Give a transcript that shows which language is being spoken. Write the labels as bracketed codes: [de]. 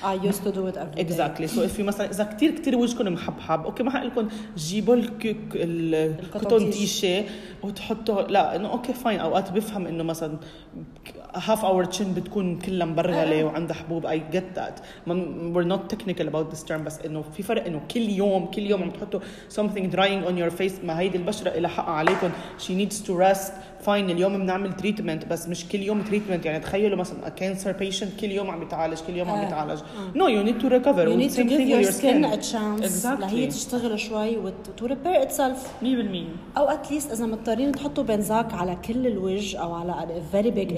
[en] I used to do it every day. Exactly. So if you [ar] مثلا إذا كتير كتير وجهكم محبحب أوكي ما هقلكم جيبوا الكوتون تيشي وتحطوا لا إنه أوكي فاين أوقات بفهم إنه مثلا [en] half hour chin [ar] بتكون كلها مبرغلة وعندها حبوب [en] I get that. We're not technical about this term [ar] بس إنه في فرق إنه كل يوم عم تحطوا [en] something drying on your face [ar] ما هيدي البشرة إلى حقها عليكم [en] she needs to rest. [ar] فاين اليوم بنعمل تريتمنت بس مش كل يوم تريتمنت يعني تخيلوا مثلا [en] a cancer patient [ar] كل يوم عم يتعالج كل يوم عم يتعالج [en] no you need to recover you need to give your skin a chance exactly. [ar] لهي تشتغل شوي [en] to repair itself 100% [ar] او [en] at least [ar] اذا مضطرين تحطوا بنزاك على كل الوجه او على [en] a very big